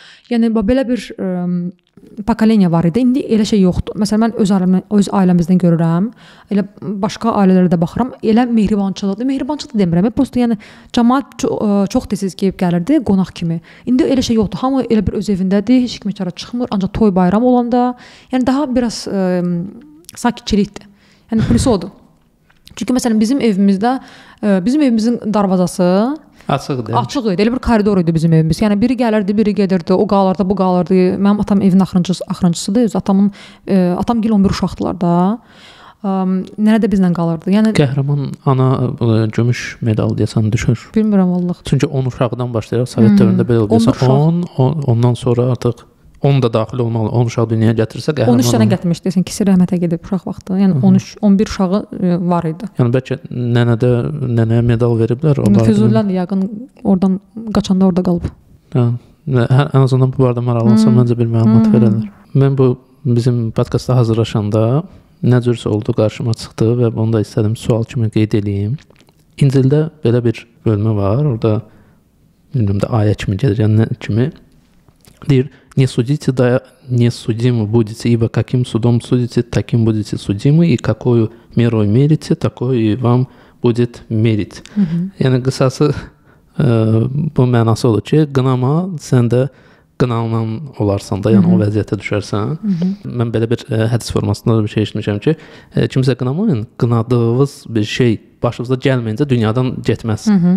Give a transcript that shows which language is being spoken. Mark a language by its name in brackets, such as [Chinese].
[Azerbaijani] Yəni, belə bir pakalenya var idi, indi elə şey yoxdur. Məsələn, mən öz ailəmizdən görürəm, elə başqa ailələrə də baxıram, elə mehribançılıqdır. Mehribançılıqdır demirəm, prosto, yəni, cəmaat çox tez-tez gəlib gəlirdi, qonaq kimi. İndi elə şey yoxdur, hamı elə bir öz evindədir, heç kimi çara çıxmır, ancaq toy bayram olanda. Yəni, daha biraz sakitçilikdir. Yəni, plusu odur. Çünki, məsələn, bizim evimizdə, bizim evimizin darvazası, Açıq idi. Elə bir koridor idi bizim evimiz. Yəni, biri gəlirdi, biri gedirdi. O qalırdı, bu qalırdı. Mənim atam evin axırıncısıdır. Atam gil 11 uşaqdılar da. Nənə də bizlə qalırdı. Yəni, qəhrəman ana gümüş medal deyəsən düşür. Bilmirəm, vallaha. Çünki 10 uşaqdan başlayaraq, sovet dövründə belə deyəsən. 10, ondan sonra artıq 10 da daxil olmalı. 10 uşaq dünyaya gətirsə qəhrəman. 13 dənə gətirmiş deyəsən. Kisi rəhmətə gedib uşaq vaxtı. Yəni 13, 11 uşağı var idi. Yəni bəlkə nənədə nənəyə medal veriblər. O da Füzuliləndi yaxın oradan qaçanda orada qalıb. Hə, ən azından bu barədə maraqlansa məncə bir məlumat verənlər. Mən bu bizim podkastda hazırlaşanda nə cürsə oldu qarşıma çıxdı və bunu da istədim sual kimi qeyd eləyim. İncildə belə bir bölmə var. Orada bilmirəm də ayə kimi gedir, yəni nə kimi. [Russian] Deyir, не судите, да не судимы будете, ибо каким судом судите, таким будете судимы, и какую меру мерите, такой и вам будет мерить. [Azerbaijani] Yəni, qısası bu mənası olur ki, qınama sən də qınanan olarsan da, yəni o vəziyyətə düşərsən. Mən belə bir hədis formasında da bir şey işitmişəm ki, kimsə qınamayın, qınadığınız bir şey başınıza gəlməyincə dünyadan getməz.